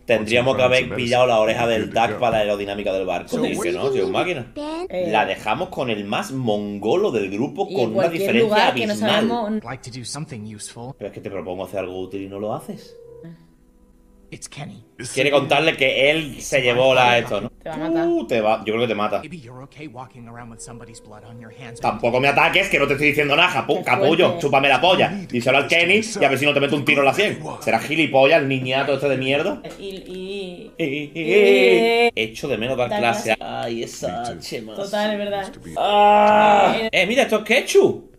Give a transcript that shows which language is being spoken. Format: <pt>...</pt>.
<es>Tendríamos que haber pillado la oreja del Duck para la aerodinámica del barco. Sí, que no, si es un máquina. La dejamos con el más mongolo del grupo con una diferencia abismal. Pero es que te propongo hacer algo útil y no lo haces.</es> <en>It's Kenny.</en> <es>Quiere contarle que él se llevó la esto, ¿no? Te va a matar. Te va, yo creo que te mata.</es> <en>Maybe you're okay walking around with somebody's blood on your hands.</en> <es>Tampoco me ataques, que no te estoy diciendo nada, capullo. Chúpame la polla. Díselo al Kenny y a ver si no te meto un tiro en la sien. ¿Será gilipollas el niñato este de mierda? Echo de menos dar clase. Ay, esa H más. Total, es verdad. ¡Ah! Mira, esto es ketchup.</es>